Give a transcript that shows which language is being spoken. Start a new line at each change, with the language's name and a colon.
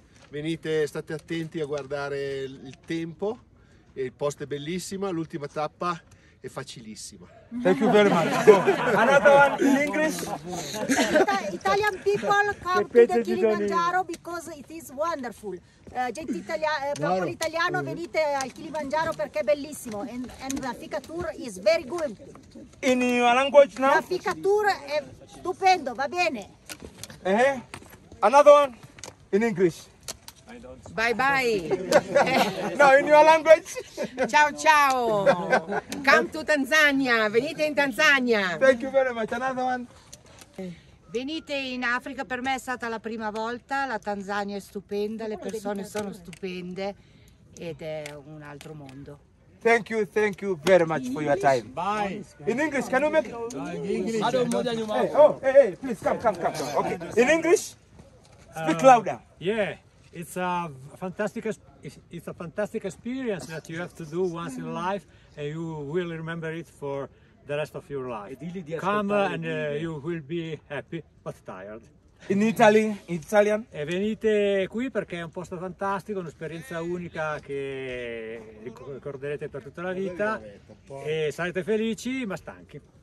Italian: Venite, state attenti a guardare il tempo. Il posto è bellissimo. L'ultima tappa è facilissima.
English: Thank you very much. Go. Another one in English. Italian people come to the Kilimanjaro because it is wonderful.
Italian: Gente italiana, popolo italiano, venite al Kilimanjaro perché è bellissimo.
English: And the Fika Tour is very good. In your language now?
Italian: La Fika Tour è stupendo, va bene.
English: Another one in English. Bye bye. No, in your language.
Italian: Ciao ciao.
English: Come to Tanzania.
Italian: Venite in Tanzania.
English: Thank you very much. Another one.
Italian: Venite in Africa. Per me è stata la prima volta. La Tanzania è stupenda. Le persone sono stupende. Ed è un altro mondo.
English: Thank you very much for your time. Bye. In English, can you make English? Please come. Okay. In English, speak louder. Yeah. It's a fantastic experience that you have to do once in life, and you will remember it for the rest of your life. Come and you will be happy but tired. In Italy, in Italian?
Italian: E venite qui perché è un posto fantastico, un'esperienza unica che ricorderete per tutta la vita, e sarete felici ma stanchi.